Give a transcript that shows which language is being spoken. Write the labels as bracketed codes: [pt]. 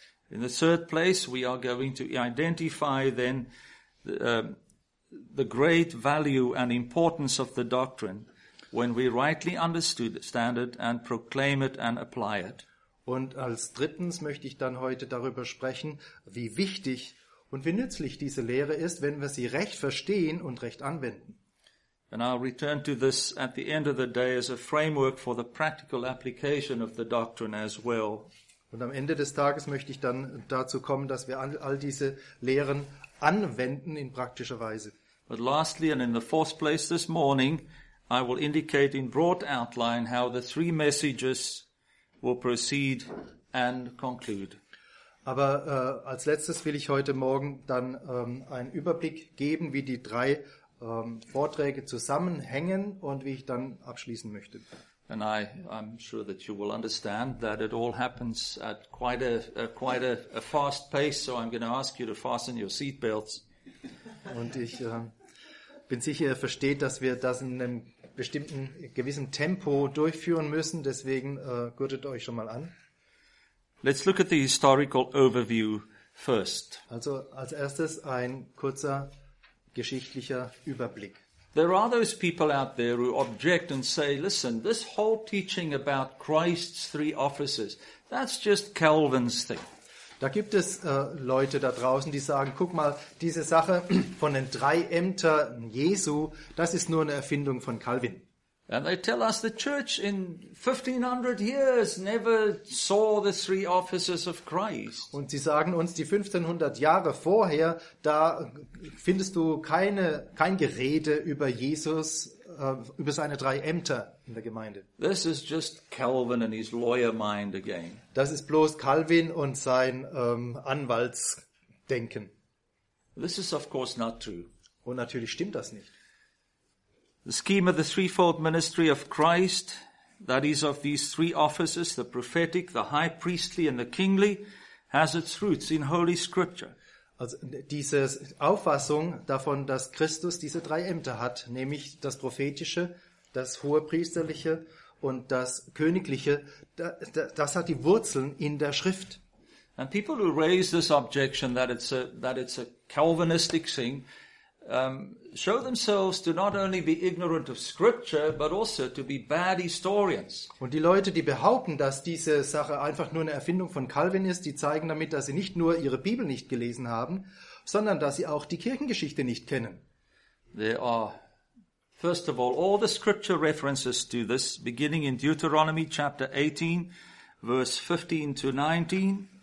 [en] In the third place, we are going to identify then the great value and importance of the doctrine when we rightly understand it and proclaim it and apply it. [de] Und als drittens möchte ich dann heute darüber sprechen, wie wichtig und wie nützlich diese Lehre ist, wenn wir sie recht verstehen und recht anwenden. [en] And I'll return to this at the end of the day as a framework for the practical application of the doctrine as well. [de] Und am Ende des Tages möchte ich dann dazu kommen, dass wir all diese Lehren anwenden in praktischer Weise. [en] But lastly and in the fourth place this morning, I will indicate in broad outline how the three messages will proceed and conclude. [de] Aber als letztes will ich heute Morgen dann einen Überblick geben, wie die drei Vorträge zusammenhängen und wie ich dann abschließen möchte. [en] And I'm sure that you will understand that it all happens at quite a fast pace, so I'm going to ask you to fasten your seatbelts. [de] Und ich bin sicher, ihr versteht, dass wir das in einem bestimmten, gewissen Tempo durchführen müssen, deswegen gürtet euch schon mal an. [en] Let's look at the historical overview first. [de] Also als erstes ein kurzer geschichtlicher Überblick. [en] There are those people out there who object and say, listen, this whole teaching about Christ's three offices, that's just Calvin's thing. [de] Da gibt es Leute da draußen, die sagen, guck mal, diese Sache von den drei Ämtern Jesu, das ist nur eine Erfindung von Calvin. [en] And they tell us the church in 1500 years never saw the three offices of Christ. [de] Und sie sagen uns, die 1500 Jahre vorher, da findest du kein Gerede über Jesus, über seine drei Ämter in der Gemeinde. [en] This is just Calvin and his lawyer mind again. [de] Das ist bloß Calvin und sein Anwaltsdenken. [en] This is of course not true. [de] Und natürlich stimmt das nicht. [en] The scheme of the threefold ministry of Christ, that is of these three offices, the prophetic, the high priestly and the kingly, has its roots in Holy Scripture. [de] Also diese Auffassung davon, dass Christus diese drei Ämter hat, nämlich das prophetische, das hohepriesterliche und das königliche, das hat die Wurzeln in der Schrift. [en] And people who raise this objection that it's a Calvinistic thing, show themselves to not only be ignorant of Scripture, but also to be bad historians. [de] Und die Leute, die behaupten, dass diese Sache einfach nur eine Erfindung von Calvin ist, die zeigen damit, dass sie nicht nur ihre Bibel nicht gelesen haben, sondern dass sie auch die Kirchengeschichte nicht kennen. [en] There are, first of all the Scripture references to this, beginning in Deuteronomy chapter 18, verse 15 to 19.